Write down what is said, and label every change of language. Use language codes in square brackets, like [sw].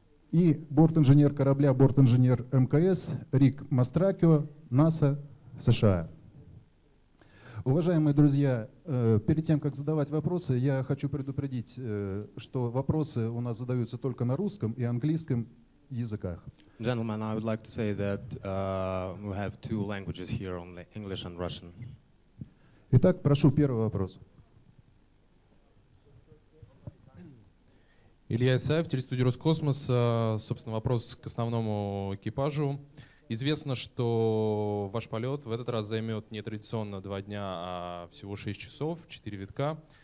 [ru] И борт-инженер корабля, борт-инженер МКС, Рик Мастракио, НАСА, США. Уважаемые друзья, перед тем, как задавать вопросы, я хочу предупредить, что вопросы у нас задаются только на русском и английском языках. [en] Gentlemen, I would like to say that we have two languages here, only English and Russian. [ru] Итак, прошу первый вопрос. Илья Исаев, телестудия «Роскосмос». Собственно, вопрос к основному экипажу. Известно, что ваш полет в этот раз займет не традиционно 2 дня, а всего 6 часов, 4 витка.